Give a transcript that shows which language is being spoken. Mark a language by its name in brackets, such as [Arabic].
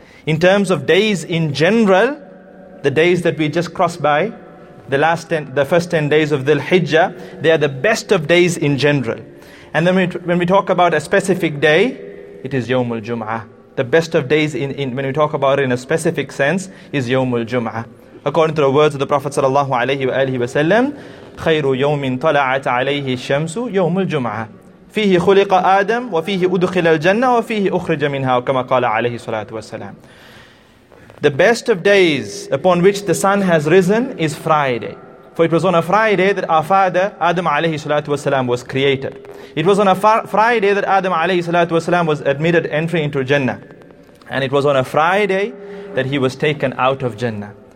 [English] In terms of days in general, the days that we just crossed by, the first 10 days of Dhul-Hijjah, they are the best of days in general. And then when we talk about a specific day, it is Yawmul Jum'ah. The best of days in when we talk about it in a specific sense is Yawmul Jum'ah. According to the words of the Prophet sallallahu alayhi wa alihi wa sallam, [Arabic] خَيْرُ يَوْمٍ طَلَعَتْ عَلَيْهِ الشَّمْسُ يَوْمُ الْجُمْعَةِ فِيهِ خُلِقَ آدَمْ وَفِيهِ أُدْخِلَ الْجَنَّةِ وَفِيهِ أُخْرِجَ مِنْهَا كَمَا قَالَ عَلَيْهِ صَلَاتُ وَسَلَامُ. [English] The best of days upon which the sun has risen is Friday. For it was on a Friday that our father, Adam alayhi salatu wasalam, was created. It was on a Friday that Adam alayhi salatu wasalam was admitted entry into Jannah. And it was on a Friday that he was taken out of Jannah.